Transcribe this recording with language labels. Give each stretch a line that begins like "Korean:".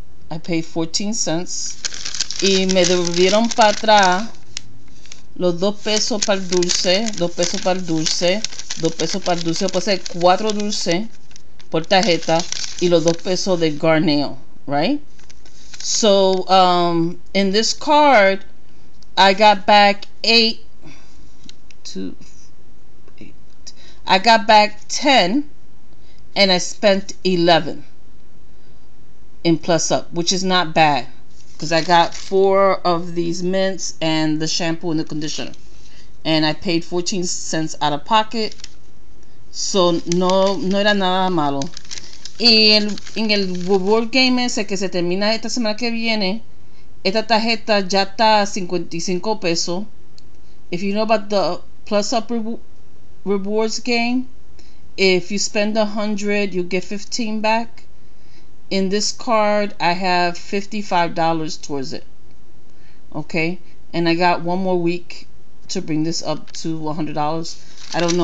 English: I paid 14 cents.
Spanish: Y me devolvieron para atrás los $2 para el dulce. $2 para el dulce. $2 para el dulce. Puede ser 4 dulces por tarjeta y los $2 de Garnail, right?
English: So, in this card, I got back ten, and I spent 11 in plus up, which is not bad, because I got four of these mints and the shampoo and the conditioner, and I paid 14 cents out of pocket.
Spanish: So no era nada malo. Y en el World Game ese que se termina esta semana que viene, esta tarjeta ya está a 55 pesos.
English: If you know about the Plus Up Rewards game, if you spend 100, you get 15 back. In this card, I have $55 towards it. Okay, and I got one more week to bring this up to $100. I don't know.